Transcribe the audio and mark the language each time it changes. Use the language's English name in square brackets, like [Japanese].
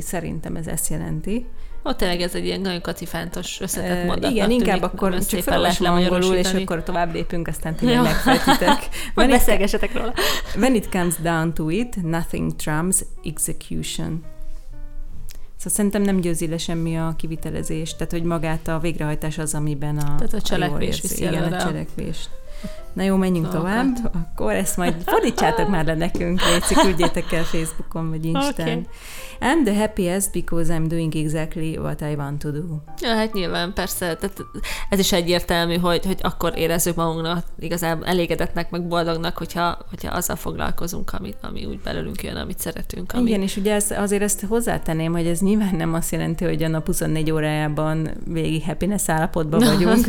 [Hungarian] Szerintem ez ezt jelenti. Ott tényleg ez egy ilyen nagyon katifántos összetett mondatnak tűnik. Igen, inkább akkor csak felolvasom angolul, és akkor tovább lépünk, aztán tényleg megfejtitek. Majd beszélgessetek róla. [English] When it comes down to it, nothing trumps execution. [Hungarian] Szóval szerintem nem győzi le semmi a kivitelezés, tehát hogy magát a végrehajtás az, amiben a tehát a cselekvés viszi igen, előre. A cselekvést. Na jó, menjünk tovább. Akkor ezt majd fordítsátok már le nekünk, légy szíves, küldjétek el Facebookon vagy Instán. [English] Okay. I'm the happiest because I'm doing exactly what I want to do. [Hungarian] Ja, hát nyilván, persze. Tehát ez is egyértelmű, hogy akkor érezzük magunknak igazából elégedetnek, meg boldognak, hogyha azzal foglalkozunk, ami úgy belőlünk jön, amit szeretünk. Igen, és ugye azért ezt hozzátenném, hogy ez nyilván nem azt jelenti, hogy a nap 24 órájában végig happiness állapotban vagyunk.